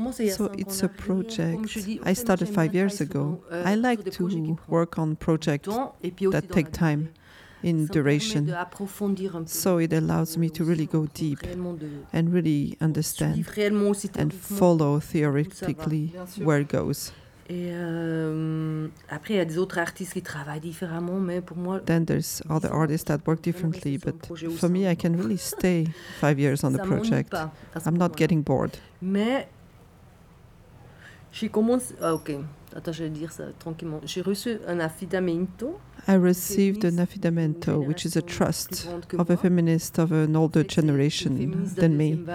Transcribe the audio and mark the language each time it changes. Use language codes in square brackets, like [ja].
[en] So it's a project I started 5 years ago. I like to work on projects that take time in duration. So it allows me to really go deep and really understand and follow theoretically where it goes. [fr] Et après, il y a des autres artistes qui travaillent différemment, mais pour moi... [en] Then there's other artists that work differently, but for me, I can really stay 5 years on the project. I'm not getting bored. [fr] Mais j'ai commencé... Ah, ok. Attends, je vais dire ça tranquillement. J'ai reçu un affidamento. [en] I received an affidamento, which is a trust of a feminist of an older generation than me.